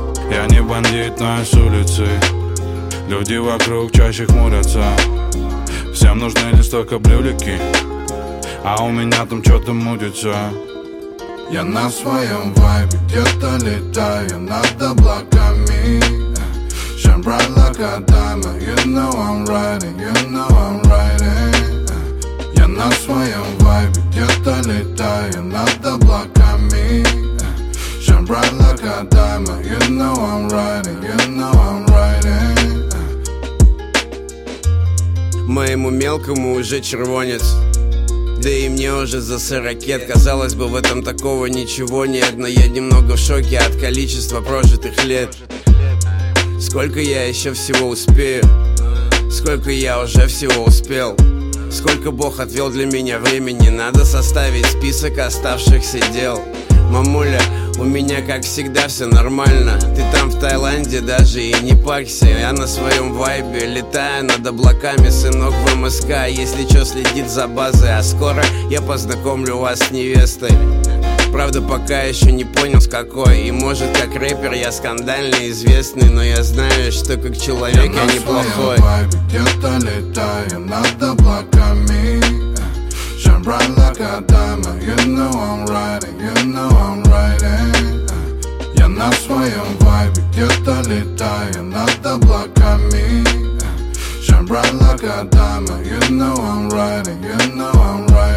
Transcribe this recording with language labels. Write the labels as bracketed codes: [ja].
[ru] Я не бандит, но я с улицы. Люди вокруг чаще хмурятся, всем нужны лишь только брюлики, а у меня там что-то мутится. Я на своем вайбе, где-то летаю над облаками. [en] Shine bright like a diamond, you know I'm riding, you know I'm riding. [ru] Я на своем вайбе, где-то летаю над облаками. [en] Shine bright like a diamond, you know I'm riding, you know I'm riding. [ru] Моему мелкому уже червонец, да и мне уже за 40 лет. Казалось бы, в этом такого ничего нет, но я немного в шоке от количества прожитых лет. Сколько я еще всего успею? Сколько я уже всего успел? Сколько Бог отвел для меня времени? Надо составить список оставшихся дел. Мамуля, у меня как всегда все нормально. Ты там в Таиланде даже и не парься. Я на своем вайбе летаю над облаками. Сынок в МСК, если что, следит за базой. А скоро я познакомлю вас с невестой. Правда, пока еще не понял, с какой. И может, как рэпер я скандально известный, но я знаю, что как человек я неплохой. Я на своем вайбе где-то летаю над облаками. [en] Shine bright like a diamond, you know I'm riding, you know I'm riding. [ru] Я на своем вайбе где-то летаю над облаками. [en] Shine bright like a diamond, you know I'm riding, you know I'm riding.